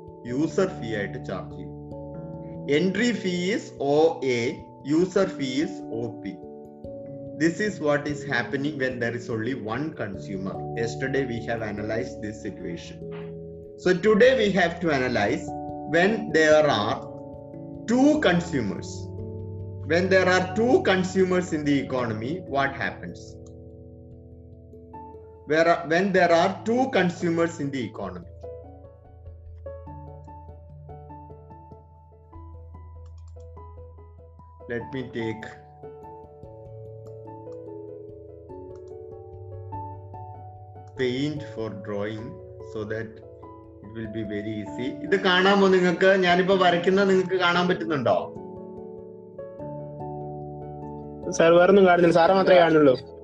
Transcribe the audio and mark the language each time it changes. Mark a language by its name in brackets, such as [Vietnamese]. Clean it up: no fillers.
[Malayalam] User ഫീ ആയിട്ട് charge ചെയ്യും. [English] Entry fee is O A, user fee is O P. This is what is happening when there is only one consumer. [Malayalam] Yesterday we have analysed this situation. So today we have to analyse [English] when there are two consumers. When there are two consumers in the economy, what happens? When there are two consumers in the economy, let me take paint for drawing so that will be very easy. [Malayalam] ഇത് കാണാമോ നിങ്ങൾക്ക്? ഞാനിപ്പോ വരയ്ക്കുന്ന നിങ്ങൾക്ക് കാണാൻ പറ്റുന്നുണ്ടോ? Sir വേറൊന്നും കാണുന്നില്ല, സാറേ മാത്രമേ കാണുന്നുള്ളൂ.